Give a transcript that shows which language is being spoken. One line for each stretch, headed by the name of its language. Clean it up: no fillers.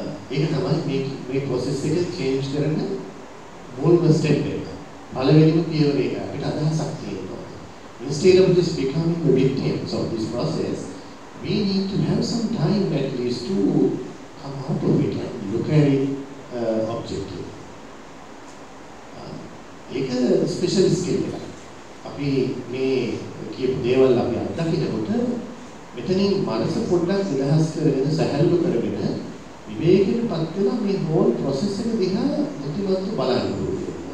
Sinhala: ඒක තමයි මේ process එක change කරන මූලික step එක. පළවෙනිම පියවර එක අපිට අදහසක් තියෙනවා.
English: Instead of just becoming the victims of this process, we need to have some time at least to come out of it and look at it objectively.
Sinhala: ඒක special skill එකක්. අපි මේ කියපු දේවල් අපි අත්දකිනකොට මෙතනින් මනස පොඩ්ඩක් නිදහස් කරගෙන සැහැල්ලු කරගෙන විවේකයෙන් පත්වලා මේ whole process එක දිහා ප්‍රතිවත්ව බලන්න ඕනේ.